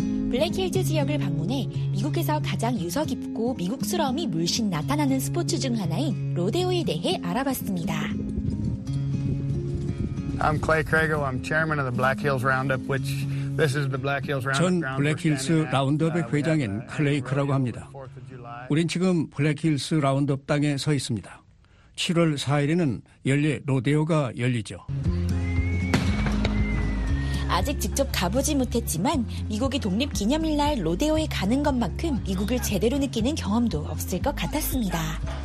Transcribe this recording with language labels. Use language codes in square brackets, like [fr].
[ko] 블랙힐즈 지역을 방문해 미국에서 가장 유서 깊고 미국스러움이 물씬 나타나는 스포츠 중 하나인 로데오에 대해 알아봤습니다. [en] I'm Clay Crago. I'm chairman of the Black Hills Roundup, which this is the Black Hills Roundup. [ko] 전 블랙힐즈 라운드업의 회장인 클레이 크라고 합니다. 우린 지금 블랙힐즈 라운드업 땅에 서 있습니다. 7월 4일에는 연례 로데오가 열리죠. 아직 직접 가보지 못했지만 미국이 독립기념일 날 로데오에 가는 것만큼 미국을 제대로 느끼는 경험도 없을 것 같았습니다.